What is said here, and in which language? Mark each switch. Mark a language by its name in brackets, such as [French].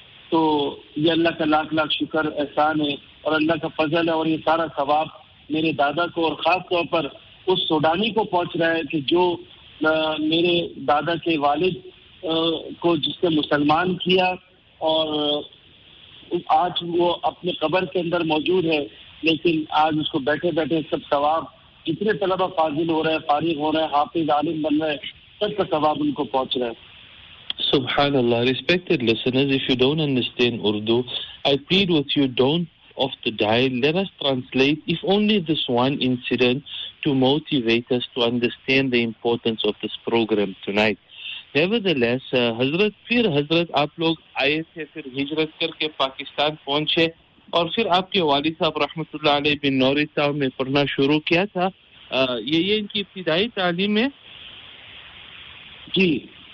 [Urdu] تو یہ اللہ کا لاکھ لاکھ شکر احسان ہے اور اللہ کا فضل ہے، اور یہ سارا ثواب میرے دادا کو اور خاص طور پر اس سوڈانی کو پہنچ رہا ہے کہ جو میرے دادا کے والد کو جس نے مسلمان کیا اور آج وہ اپنے قبر کے اندر موجود ہے، لیکن آج اس کو بیٹھے بیٹھے سب ثواب، جتنے طلبہ فاضل ہو رہے ہیں، فارغ ہو رہے ہیں، حافظ عالم بن رہے ہیں، سب کا ثواب ان کو پہنچ رہا ہے. سبحان اللہ. [English] Respected listeners, if you don't understand Urdu, I plead with you, don't off the dial, let us translate if only this one incident to motivate us to understand the importance of this program tonight. [Urdu] Nevertheless, حضرت پھر حضرت آپ لوگ آئے تھے، پھر ہجرت کر کے پاکستان پہنچے، اور پھر آپ کے والد صاحب رحمۃ اللہ علیہ بن نوری صاحب نے پڑھنا شروع کیا تھا، یہ ان کی ابتدائی تعلیم ہے جی.